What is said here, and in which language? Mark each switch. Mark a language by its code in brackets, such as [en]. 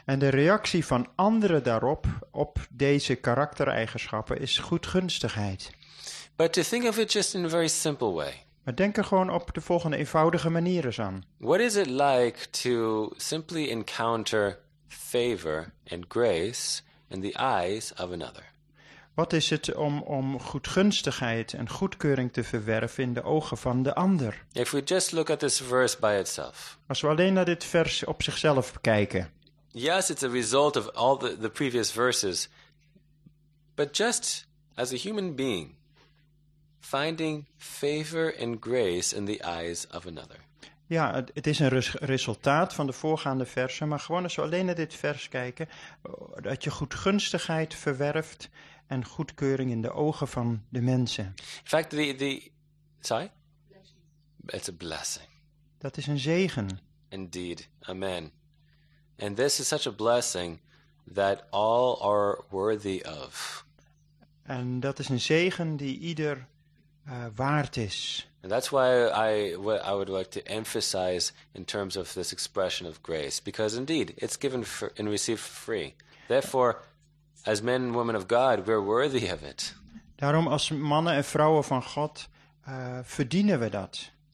[nl] En de reactie van anderen daarop op deze karaktereigenschappen is goedgunstigheid. [en] But to think of it just in a very simple way. [nl] Maar denk er gewoon op de volgende eenvoudige manier eens aan. [en] What is it like to simply encounter favor and grace in the eyes of another? [nl] Wat is het om goedgunstigheid en goedkeuring te verwerven in de ogen van de ander? [en] If we just look at this verse by itself. [nl] Als we alleen naar dit vers op zichzelf kijken. [en] Yes, it's a result of all the previous verses. But just as a human being. Finding favor and grace in the eyes of another. [nl] Ja, het is een resultaat van de voorgaande versen, maar gewoon als we alleen naar dit vers kijken, dat je goedgunstigheid verwerft en goedkeuring in de ogen van de mensen. [en] In fact, it's a blessing. [nl] Dat is een zegen. [en] Indeed, amen. And this is such a blessing that all are worthy of. [nl] En dat is een zegen die ieder waard is. [en] And that's why I would like to emphasize in terms of this expression of grace, because indeed it's given and received free. Therefore, as men and women of God, we're worthy of it. [nl] Daarom als mannen en vrouwen van God verdienen we dat.